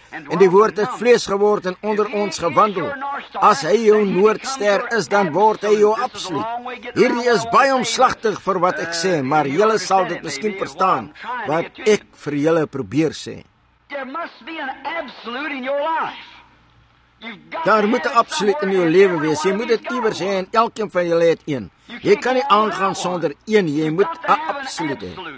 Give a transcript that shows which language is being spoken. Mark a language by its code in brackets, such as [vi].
[af] En die woord het vlees geword en onder ons gewandel. As hy jou noordster is, dan word hy jou absoluut. Hierdie is baie omslagtig vir wat ek sê, maar julle sal dit miskien verstaan, wat ek vir julle probeer sê. [en] There must be an absolute in your life. [af] Daar moet absoluut in jou lewe wees. Jy moet dit iewers hê en elkeen van julle het een. Jy kan nie aangaan sonder een. Jy moet 'n absoluut hê.